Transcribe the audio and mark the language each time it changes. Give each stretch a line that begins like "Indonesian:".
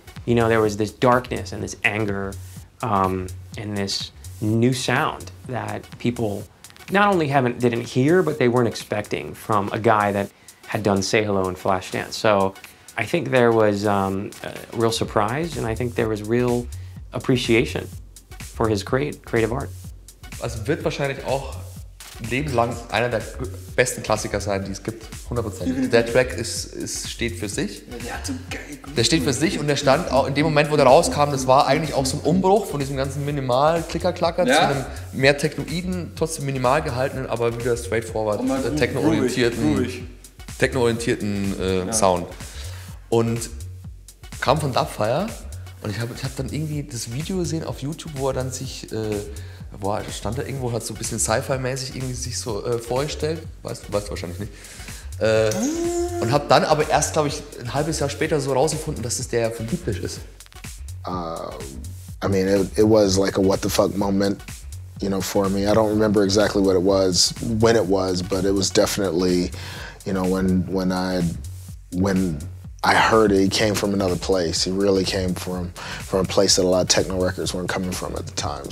English: You know, there was this darkness and this anger and this new sound that people not only didn't hear, but they weren't expecting from a guy that had done Say Hello and Flashdance. So I think there was a real surprise, and I think there was real appreciation for his creative art.
German: Also wird wahrscheinlich auch lebenslang einer der besten Klassiker sein, die es gibt, 100%. Der Track ist steht für sich. Der steht für sich und der stand auch in dem Moment, wo der rauskam, das war eigentlich auch so ein Umbruch von diesem ganzen Minimal-Klicker-Klacker zu einem mehr technoiden, trotzdem minimal gehaltenen, aber wieder straightforward, techno-orientierten Sound. Und kam von Dubfire und ich hab dann irgendwie das Video gesehen auf YouTube, wo er dann sich stand da irgendwo, hat so ein bisschen Sci-Fi-mäßig irgendwie sich so vorgestellt. Weißt du wahrscheinlich nicht. Und hab dann aber erst, glaube ich, ein halbes Jahr später so rausgefunden, dass es der von Deep Dish ist.
English: I mean, it was like a what the fuck moment, you know, for me. I don't remember exactly what it was, when it was, but it was definitely, you know, when I heard it, he came from another place. He really came from a place that a lot of techno records weren't coming from at the time.